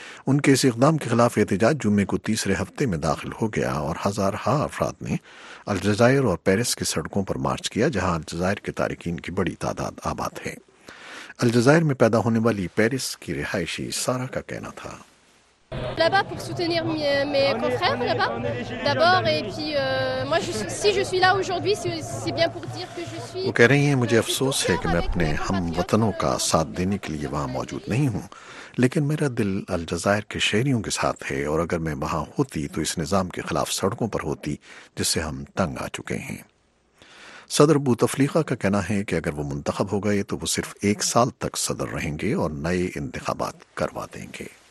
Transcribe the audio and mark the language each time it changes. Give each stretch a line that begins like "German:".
Urdu: ان کے اس اقدام کے خلاف احتجاج جمعے کو 3رے ہفتے میں داخل ہو گیا، اور ہزارہا افراد نے الجزائر اور پیرس کی سڑکوں پر مارچ کیا، جہاں الجزائر کے تارکین کی بڑی تعداد آباد ہے۔ الجزائر میں پیدا ہونے والی پیرس کی رہائشی سارا کا کہنا تھا،
French: là-bas pour soutenir mes confrères là-bas d'abord et puis moi je, si je suis là aujourd'hui c'est bien pour dire que je suis
Urdu: وہ کہہ رہی ہیں، مجھے افسوس ہے کہ میں اپنے ہم وطنوں کا ساتھ دینے کے لیے وہاں موجود نہیں ہوں، لیکن میرا دل الجزائر کے شہریوں کے ساتھ ہے، اور اگر میں وہاں ہوتی تو اس نظام کے خلاف سڑکوں پر ہوتی، جس سے ہم تنگ آ چکے ہیں۔ صدر بوتفلیقہ کا کہنا ہے کہ اگر وہ منتخب ہو گئے تو وہ صرف 1 سال تک صدر رہیں گے اور نئے انتخابات کروا دیں گے۔